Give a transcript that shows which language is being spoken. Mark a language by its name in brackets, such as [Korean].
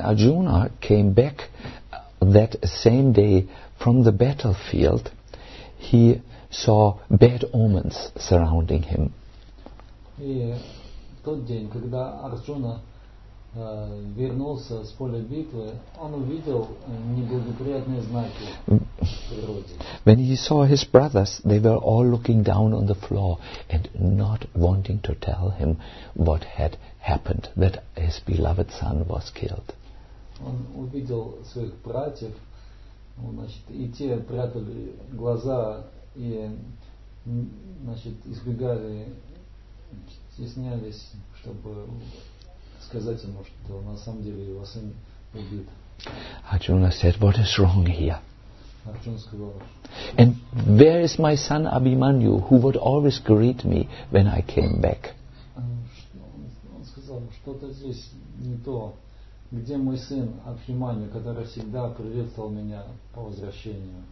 [English] When Arjuna came back that same day from the battlefield, he saw bad omens surrounding him. [Russian] И тот день, когда Арджуна вернулся с поля битвы, он увидел неблагоприятные знаки. [English] When he saw his brothers, they were all looking down on the floor and not wanting to tell him what had happened, that his beloved son was killed. [Russian] Он увидел своих братьев, значит, и те прятали глаза и, значит, избегали, стеснялись, чтобы сказать ему, что на самом деле его сын убит. [English] Arjuna said, "What is wrong here?" [Russian] Arjuna сказал, [English] "And where is my son Abhimanyu, who would always greet me when I came back?" [Russian] Он сказал, что-то здесь не то. Где мой сын Абхиманью, который всегда приветствовал меня по возвращению?